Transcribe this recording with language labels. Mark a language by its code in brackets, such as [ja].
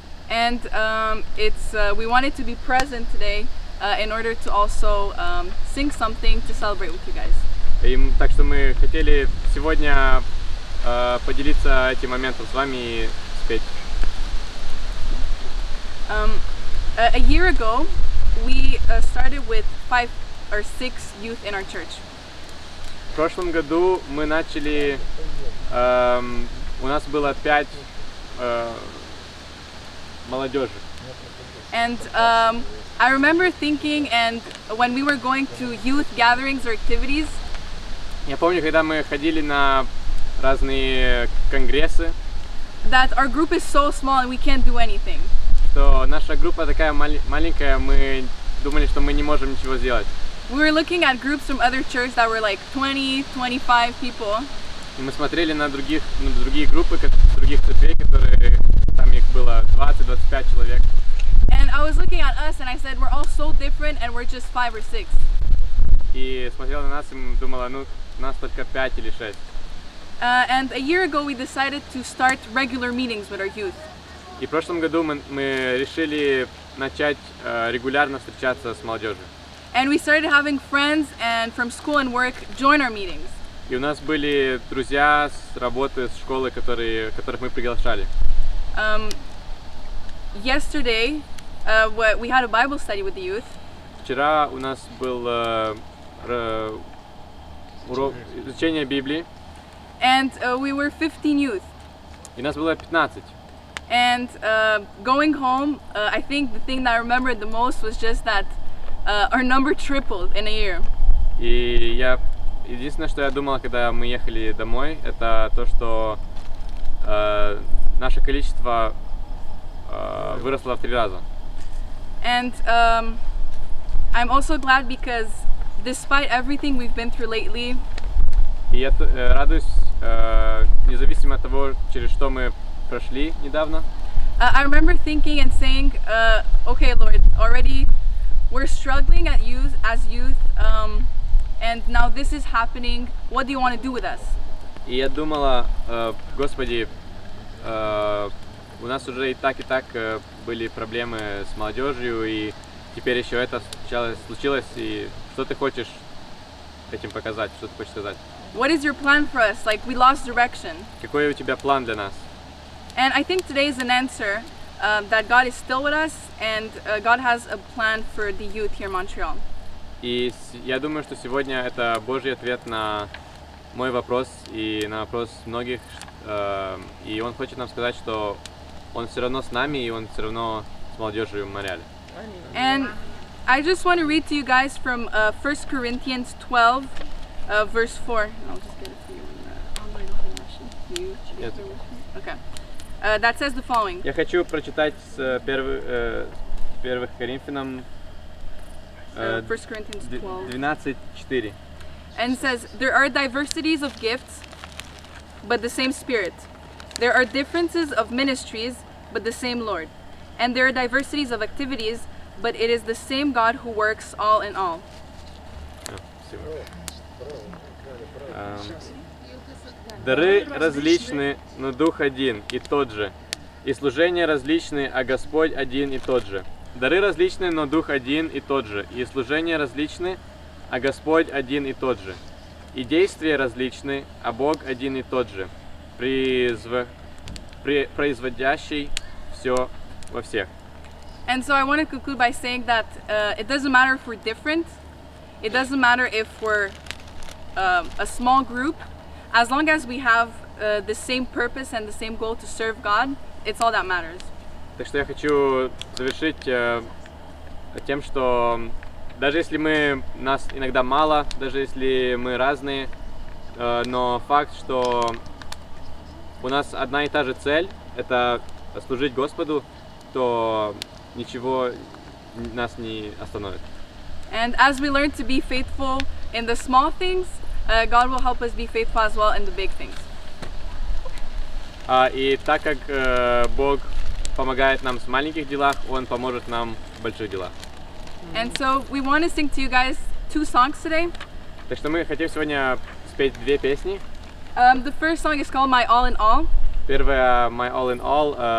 [en] And we wanted to be present today in order to also sing something to celebrate with you guys. [ru] И так что мы хотели сегодня поделиться этим моментом с вами и спеть. [en] A year ago, we started with 5 or 6 youth in our church. [ru] В прошлом году мы начали, у нас было 5 молодежи. [en] And I remember thinking, and when we were going to youth gatherings or activities. [ru] Я помню, когда мы ходили на разные конгрессы. [en] That our group is so small and we can't do anything. [ru] Что наша группа такая маленькая, мы думали, что мы не можем ничего сделать. [en] We were looking at groups from other churches that were like 20-25 people. [ru] И мы смотрели на других, на другие группы, других церквей, которые там их было 20-25 человек. [en] And I was looking at us and I said, we're all so different and we're just 5 or 6. [ru] И смотрела на нас и думала, ну, нас только 5 или 6. [en] And a year ago we decided to start regular meetings with our youth. [ru] И в прошлом году мы решили начать регулярно встречаться с молодежью. [en] And we started having friends and from school and work join our meetings. [ru] И у нас были друзья с работы, с школы, которых мы приглашали. [en] Yesterday, we had a Bible study with the youth. [ru] Вчера у нас был урок изучения Библии. [en] And we were 15 youth. [ru] И нас было 15. [en] And going home, I think the thing that I remembered the most was just that our number tripled in a year. [ru] И я единственное, что я думал, когда мы ехали домой, это то, что наше количество выросло в 3 раза. [en] And I'm also glad because despite everything we've been through lately. [ru] И я радуюсь, независимо от того, через что мы прошли недавно. [en] I remember thinking and saying, okay, Lord, already we're struggling at youth, as youth, and now this is happening. What do you want to do with us? [ru] И я думала, Господи, у нас уже и так были проблемы с молодежью, и теперь еще это случилось, и что ты хочешь этим показать, что ты хочешь сказать? [en] What is your plan for us? Like, we lost direction. [ru] Какой у тебя план для нас? [en] And I think today is an answer that God is still with us and God has a plan for the youth here in Montreal. [ru] И я думаю, что сегодня это Божий ответ на мой вопрос и на вопрос многих. И Он хочет нам сказать, что Он все равно с нами и Он все равно с молодежью в Монреале. [en] And I just want to read to you guys from 1 Corinthians 12, verse 4. And I'll just get it to you in the online version. You should get it. Okay. That says the following. [ru] Я хочу прочитать с первых Коринфянам 12:4. [en] And it says, there are diversities of gifts, but the same Spirit. There are differences of ministries, but the same Lord. And there are diversities of activities, but it is the same God who works all in all. [ru] Дары различны, но Дух один и тот же. И служения различны, а Господь один и тот же. Дары различны, но Дух один и тот же. И служения различны, а Господь один и тот же. И действия различны, а Бог один и тот же, производящий все во всех. [en] And so I want to conclude by saying that it doesn't matter if we're different. It doesn't matter if we're a small group. As long as we have the same purpose and the same goal to serve God, it's all that matters. [ru] Так что я хочу завершить тем, что даже если мы нас иногда мало, даже если мы разные, но факт, что у нас одна и та же цель – это служить Господу, то ничего нас не остановит. [en] And as we learn to be faithful in the small things, God will help us be faithful as well in the big things. [ru] И так как Бог помогает нам в маленьких делах, Он поможет нам в больших делах. [en] And so we want to sing to you guys 2 songs today. [ru] Так что мы хотим сегодня спеть две песни. [en] The first song is called My All in All. [ru] Первая My All in All.